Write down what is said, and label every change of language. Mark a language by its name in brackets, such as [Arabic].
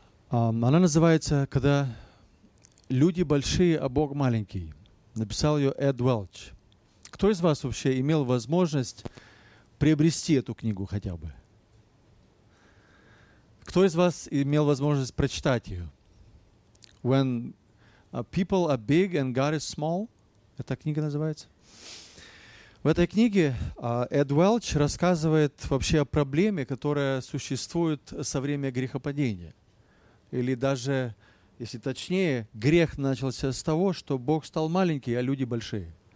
[Russian] Она называется «Когда люди большие, а Бог маленький». Написал ее Эд Уэлч. Кто из вас вообще имел возможность приобрести эту книгу хотя бы? Кто из вас имел возможность прочитать ее? [English] When people are big and God is small. [Russian] Эта книга называется. В этой книге Эд Уэлч рассказывает вообще о проблеме, которая существует со времени грехопадения. Или даже, если точнее, грех начался с того, что Бог стал маленький, а люди большие.